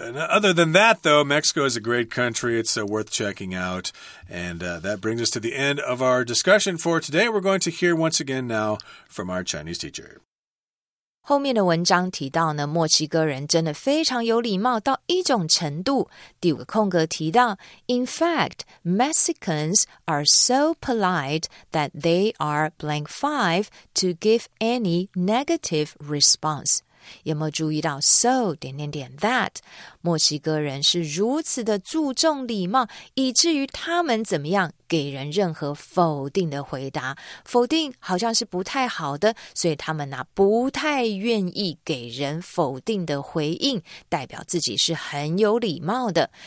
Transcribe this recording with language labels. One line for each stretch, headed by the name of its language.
English: Other than that, though, Mexico is a great country. It's worth checking out. And that brings us to the end of our discussion for today. We're going to hear once again now from our Chinese teacher.
Chinese: 后面的文章提到呢，墨西哥人真的非常有礼貌到一种程度。第五个空格提到
English: ，In fact, Mexicans are so polite that they are blank five to give any negative response.
Chinese: 有没有注意到 so 点点点 that 墨西哥人是如此的注重礼貌，以至于他们怎么样？给人任何否定的回答，否定好像是不太好的，所以他们呢不太愿意给人否定的回应，代表自己是很有礼貌的。